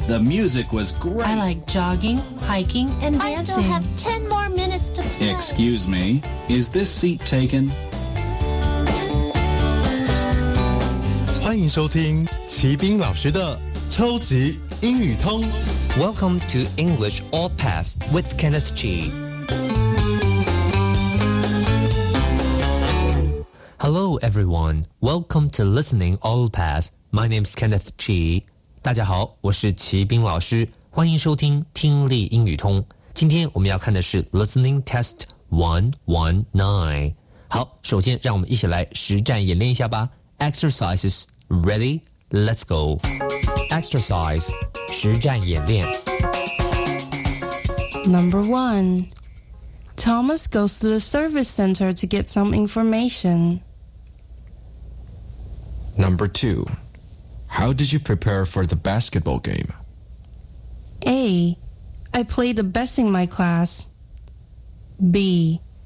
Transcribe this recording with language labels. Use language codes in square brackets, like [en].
[en] Sure, the music was great. I like jogging, hiking, and dancing. I still have 10 more minutes to play. Excuse me, is this seat taken? [zh] 欢迎收听齐宾老师的超级英语通。 [en] Welcome to English All Pass with Kenneth G. Hello, everyone. Welcome to Listening All Pass. My name is Kenneth G. [zh] 大家好，我是齐宾老师，欢迎收听听力英语通。今天我们要看的是 Listening Test 119。好，首先让我们一起来实战演练一下吧。 [en] Exercises. Ready? Let's go. [zh] Exercise, 实战演练 [en] Number 1. Thomas goes to the service center to get some information. Number 2. How did you prepare for the basketball game? A. I played the best in my class. B.